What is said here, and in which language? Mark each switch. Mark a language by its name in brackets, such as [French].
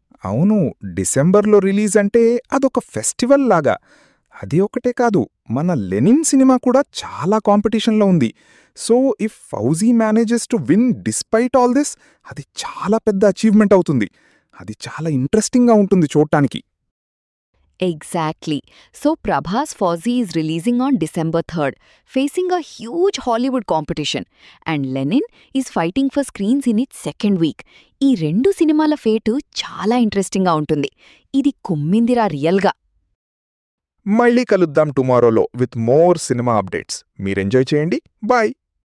[Telugu] అవును, డిసెంబర్లో రిలీజ్ అంటే అదొక ఫెస్టివల్ లాగా. అది ఒకటే కాదు, మన లెనిన్ సినిమా కూడా చాలా కాంపిటీషన్లో ఉంది. [English] so if Fauji manages to win despite all this, [Telugu] అది చాలా పెద్ద అచీవ్మెంట్ అవుతుంది. అది చాలా ఇంట్రెస్టింగ్గా ఉంటుంది చూడటానికి. [English] Exactly. So Prabhas Fauzi is releasing on December 3rd, facing a huge Hollywood competition. And Lenin is fighting for screens in its second week. [Telugu] ఈ రెండు సినిమాల ఫేటు చాలా ఇంట్రెస్టింగ్గా ఉంటుంది. ఇది కుమ్మిందిరా రియల్గా. మళ్ళీ కలుద్దాం టుమారోలో విత్ మోర్ సినిమా అప్డేట్స్. మీరు ఎంజాయ్ చేయండి. బై.